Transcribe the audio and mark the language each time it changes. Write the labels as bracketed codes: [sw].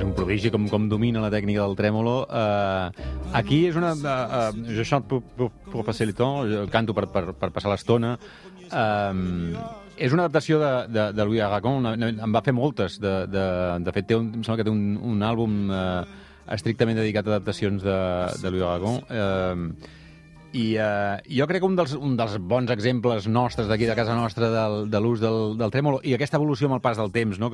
[ca] Vegi com domina la tècnica del trèmolo. Aquí és una... [fr] Je chante pour passer le temps, [ca] canto per passar l'estona. És una adaptació de Louis Aragon, en va fer moltes. De fet, em sembla que té un àlbum estrictament dedicat a adaptacions de Louis Aragon. I jo crec que un dels bons exemples nostres d'aquí, de casa nostra, de l'ús del trèmolo, i aquesta evolució amb el pas del temps, no?